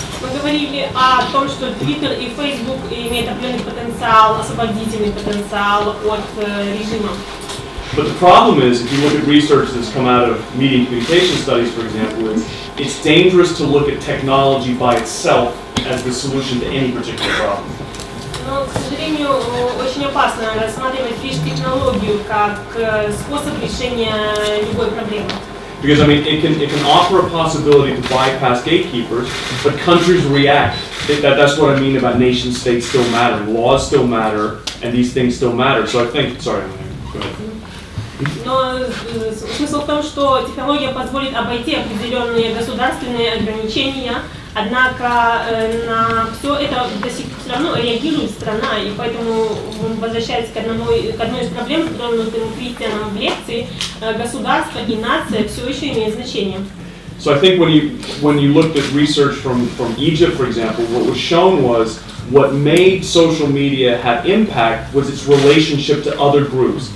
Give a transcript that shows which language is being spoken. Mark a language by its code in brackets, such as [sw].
[en] But the problem is, if you look at research that's come out of media and communication studies, for example, it's dangerous to look at technology by itself as the solution to any particular problem. [ru] Но, к сожалению, очень опасно рассматривать лишь технологию как способ решения любой проблемы. [en] Because, I mean, it can offer a possibility to bypass gatekeepers, but countries react. That's what I mean about nation states still matter. Laws still matter, and these things still matter. So I think, sorry, go ahead. [ru] Но смысл в том, что технология позволит обойти определенные государственные ограничения, однако на все это до сих пор все равно реагирует страна, и поэтому, возвращаясь к одной из проблем, которую мы говорили Кристианом в лекции, государство и нация все еще имеют значение. [en] So I think when you looked at research from Egypt, for example, what was shown was what made social media have impact was its relationship to other groups.